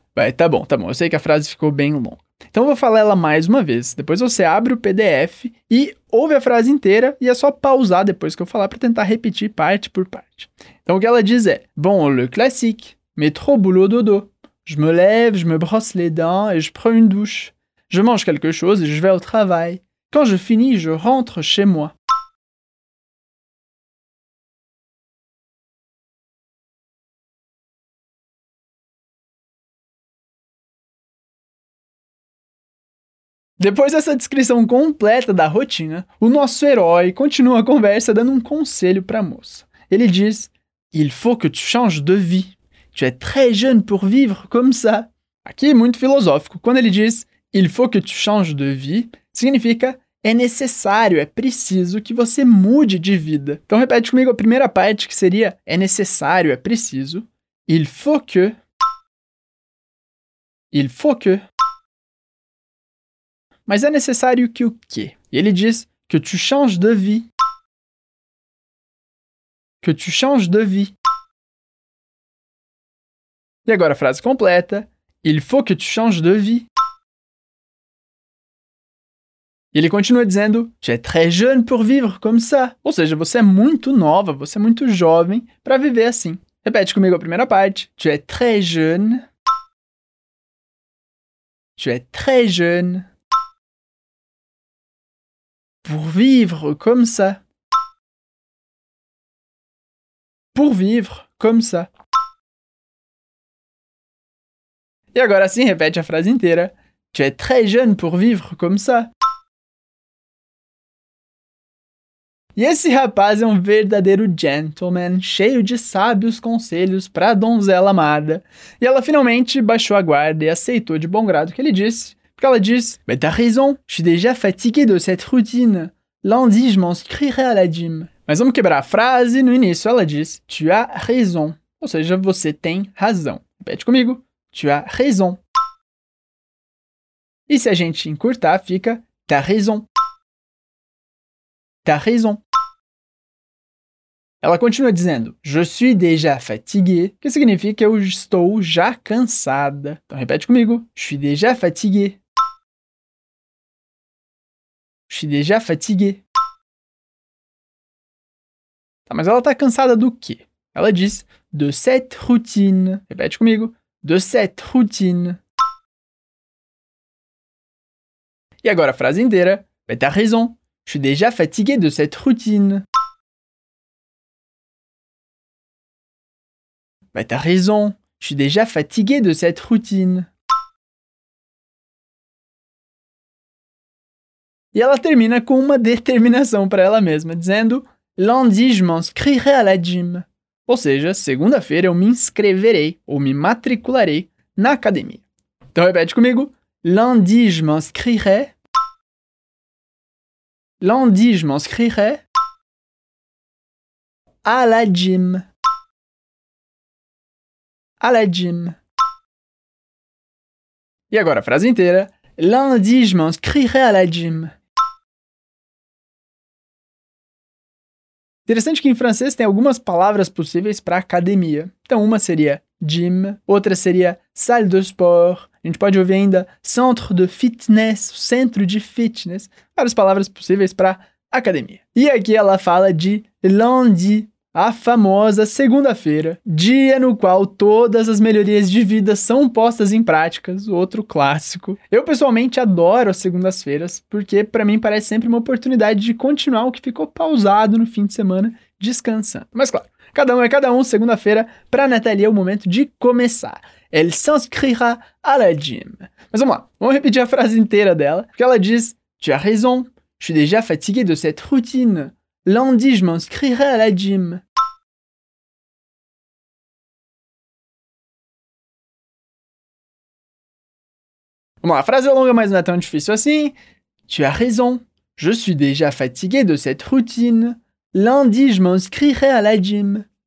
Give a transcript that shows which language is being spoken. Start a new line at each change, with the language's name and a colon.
Portuguese: Vai, tá bom, eu sei que a frase ficou bem longa. Então eu vou falar ela mais uma vez, depois você abre o PDF e ouve a frase inteira e é só pausar depois que eu falar para tentar repetir parte por parte. Então o que ela diz é,
French: bon, le classique, métro, boulot, dodo. Je me lève, je me brosse les dents et je prends une douche. Je mange quelque chose et je vais au travail. Quand je finis, je rentre chez moi.
Portuguese: Depois dessa descrição completa da rotina, o nosso herói continua a conversa dando um conselho para a moça. Ele diz,
French: Il faut que tu changes de vie. Tu es très jeune pour vivre comme ça.
Portuguese: Aqui, muito filosófico, quando ele diz,
French: Il faut que tu changes de vie,
Portuguese: significa, é necessário, é preciso que você mude de vida. Então, repete comigo a primeira parte, que seria, é necessário, é preciso.
French: Il faut que... Il faut que...
Portuguese: Mas é necessário que o quê? E ele diz
French: que tu changes de vie. Que tu changes de vie.
Portuguese: E agora a frase completa.
French: Il faut que tu changes de vie.
Portuguese: E ele continua dizendo
French: Tu es très jeune pour vivre comme ça.
Portuguese: Ou seja, você é muito nova, você é muito jovem para viver assim. Repete comigo a primeira parte.
French: Tu es très jeune. Tu es très jeune. Pour vivre comme ça. Pour vivre comme ça.
Portuguese: E agora sim, repete a frase inteira.
French: Tu es très jeune pour vivre comme ça.
Portuguese: E esse rapaz é um verdadeiro gentleman, cheio de sábios conselhos para a donzela amada. E ela finalmente baixou a guarda e aceitou de bom grado o que ele disse. Porque ela disse,
French: Mais t'as raison, je suis déjà fatigué de cette routine. Lundi, je m'inscrirai à la gym.
Portuguese: Mas vamos quebrar a frase. No início, ela diz,
French: Tu as raison.
Portuguese: Ou seja, você tem razão. Repete comigo.
French: Tu as raison.
Portuguese: E se a gente encurtar, fica,
French: T'as raison. T'as raison.
Portuguese: Ela continua dizendo,
French: Je suis déjà fatigué.
Portuguese: Que significa, eu estou já cansada. Então, repete comigo.
French: Je suis déjà fatigué. Je suis déjà fatigué.
Portuguese: Tá, mas ela tá cansada do quê? Ela diz,
French: de cette routine.
Portuguese: Repete comigo.
French: De cette routine.
Portuguese: E agora a frase inteira.
French: Mais t'as raison. Je suis déjà fatigué de cette routine. Mais t'as raison. Je suis déjà fatigué de cette routine.
Portuguese: E ela termina com uma determinação para ela mesma, dizendo
French: Lundi, je m'inscrirai à la gym.
Portuguese: Ou seja, segunda-feira eu me inscreverei ou me matricularei na academia. Então repete comigo.
French: Lundi, je m'inscrirai. Lundi, je m'inscrirai. À la gym. À la gym.
Portuguese: E agora a frase inteira.
French: Lundi, je m'inscrirai à la gym.
Portuguese: Interessante que em francês tem algumas palavras possíveis para academia. Então, uma seria gym, outra seria
French: salle de sport.
Portuguese: A gente pode ouvir ainda
French: centre de fitness,
Portuguese: centro de fitness. Várias palavras possíveis para academia. E aqui ela fala de lundi. a famosa segunda-feira, dia no qual todas as melhorias de vida são postas em práticas, outro clássico. Eu pessoalmente adoro as segundas-feiras, porque para mim parece sempre uma oportunidade de continuar o que ficou pausado no fim de semana, descansando. Mas claro, cada um é cada um, segunda-feira, para a Nathalie é o momento de começar.
French: Elle s'inscrira à la gym.
Portuguese: Mas vamos lá, vamos repetir a frase inteira dela, porque ela diz:
French: Tu as raison, je suis déjà fatigué de cette routine. Lundi, je m'inscrirai à la gym.
Portuguese: Vamos lá, a frase é longa, mas não é tão difícil assim.
French: Tu as raison, je suis déjà fatigué de cette routine. Lundi, je m'inscrirai à la gym.